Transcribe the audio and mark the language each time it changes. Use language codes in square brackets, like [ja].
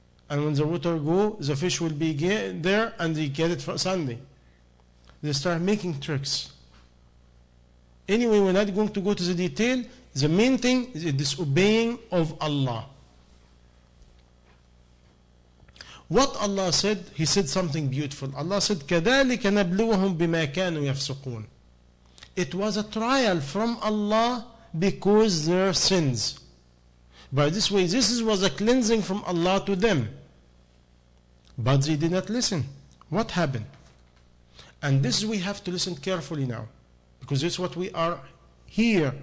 [en] And when the water go, the fish will be there and they get it for Sunday. They start making tricks. Anyway, we're not going to go to the detail. The main thing is the disobeying of Allah. What Allah said, He said something beautiful. Allah said, [ar] كَذَلِكَ نَبْلُوهُمْ بِمَا كَانُوا يَفْسُقُونَ. [en] It was a trial from Allah because their sins. By this way, this was a cleansing from Allah to them. But they did not listen. What happened? And this we have to listen carefully now. Because this is what we are here.